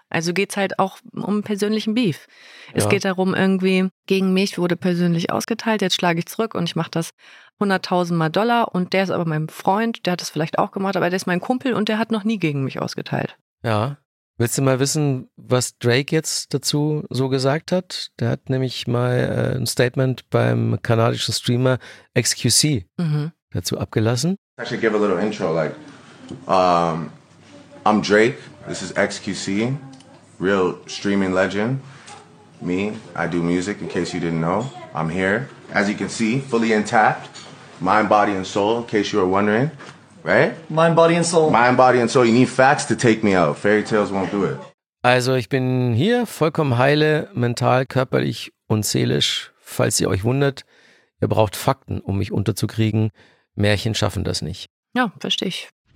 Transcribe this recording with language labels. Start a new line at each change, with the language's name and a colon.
German: Also geht's halt auch um persönlichen Beef. Es geht darum, irgendwie, gegen mich wurde persönlich ausgeteilt, jetzt schlage ich zurück und ich mache das 100.000 Mal Dollar und der ist aber mein Freund, der hat das vielleicht auch gemacht, aber der ist mein Kumpel und der hat noch nie gegen mich ausgeteilt. Ja. Willst du mal wissen, was Drake jetzt dazu so gesagt hat? Der hat nämlich mal ein Statement beim kanadischen Streamer XQC dazu abgelassen.
English: I should give a little intro, like, I'm Drake, this is XQC, real streaming legend. Me, I do music, in case you didn't know, I'm here. As you can see, fully intact, mind, body and soul, in case you were wondering. Right? Mind, body and soul. Mind, body and soul. You need facts to take me out. Fairy tales won't do it.
German: Also ich bin hier vollkommen heile, mental, körperlich und seelisch. Falls ihr euch wundert, ihr braucht Fakten, um mich unterzukriegen. Märchen schaffen das nicht. Ja, verstehe ich.